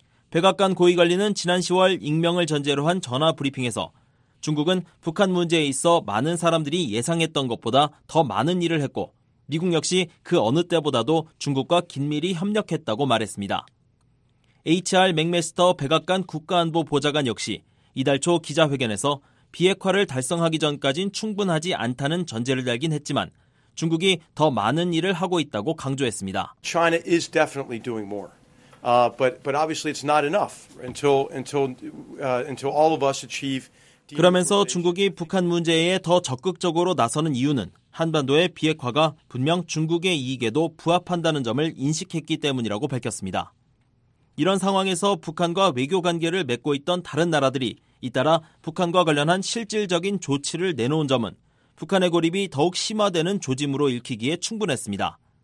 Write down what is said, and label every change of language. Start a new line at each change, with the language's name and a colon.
Korean: 백악관 고위 관리는 지난 10월 익명을 전제로 한 전화 브리핑에서 중국은 북한 문제에 있어 많은 사람들이 예상했던 것보다 더 많은 일을 했고 미국 역시 그 어느 때보다도 중국과 긴밀히 협력했다고 말했습니다. HR 맥메스터 백악관 국가안보보좌관 역시 이달 초 기자회견에서 비핵화를 달성하기 전까진 충분하지 않다는 전제를 달긴 했지만 중국이 더 많은 일을 하고 있다고 강조했습니다.
English: China is definitely doing more. But obviously it's not enough until all of us achieve.
Korean: 그러면서 중국이 북한 문제에 더 적극적으로 나서는 이유는 한반도의 비핵화가 분명 중국의 이익에도 부합한다는 점을 인식했기 때문이라고 밝혔습니다. 이런 상황에서 북한과 외교 관계를 맺고 있던 다른 나라들이 잇따라 북한과 관련한 실질적인 조치를 내놓은 점은 북한의 고립이 더욱 심화되는 조짐으로 읽히기에 충분했습니다.